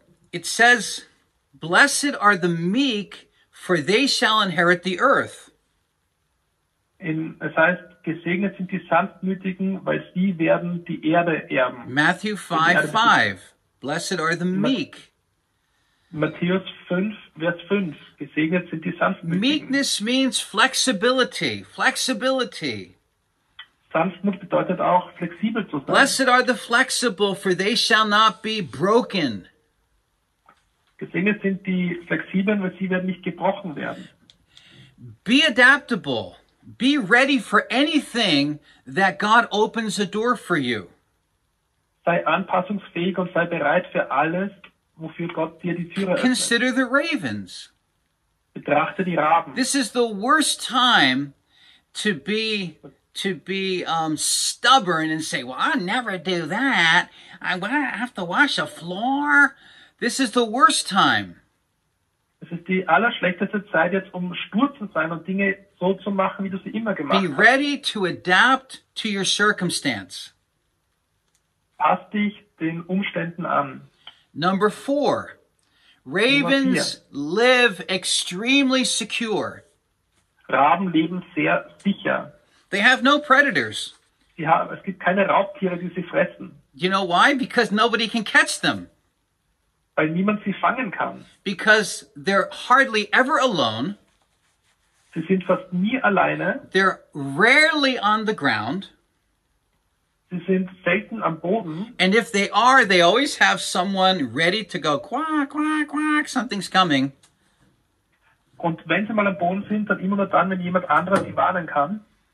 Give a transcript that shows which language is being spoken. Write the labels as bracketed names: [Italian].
[English] It says, blessed are the meek, for they shall inherit the earth. [German] Es heißt, gesegnet sind die Sanftmütigen, weil sie werden die Erde erben. [English] Matthew 5:5. Blessed are the meek. [German] Matthäus 5, Vers 5. Gesegnet sind die Sanftmütigen. [English] Meekness means flexibility. Flexibility. [German] Sanftmut bedeutet auch, flexibel zu sein. [English] Blessed are the flexible, for they shall not be broken. [German] Gesegnet sind die Flexiblen, weil sie werden nicht gebrochen werden. [English] Be adaptable. Be ready for anything that God opens a door for you. [German] Sei anpassungsfähig und sei bereit für alles, wofür Gott dir die Tür öffnet. [English] Consider the ravens. [German] Betrachte die Raben. [English] This is the worst time to be stubborn and say, well, I'll never do that. I have to wash a floor. This is the worst time. [German] Es ist die allerschlechteste Zeit jetzt, um stur zu sein und Dinge so zu machen, wie du sie immer gemacht hast. [English] ready to adapt to your circumstance. [German] Pass dich den Umständen an. [English] Number four. Ravens live extremely secure. [German] Raben leben sehr sicher. [English] They have no predators. [German] Es gibt keine Raubtiere, die sie fressen. [English] You know why? Because nobody can catch them. [German] Weil niemand sie fangen kann. [English] Because they're hardly ever alone. [German] Sie sind fast nie alleine. [English] They're rarely on the ground. [German] Sie sind selten am Boden. [English] And if they are, they always have someone ready to go, quack, quack, quack, something's coming. [German] Und wenn sie mal am Boden sind, dann immer nur dann, wenn jemand anderer sie warnen kann.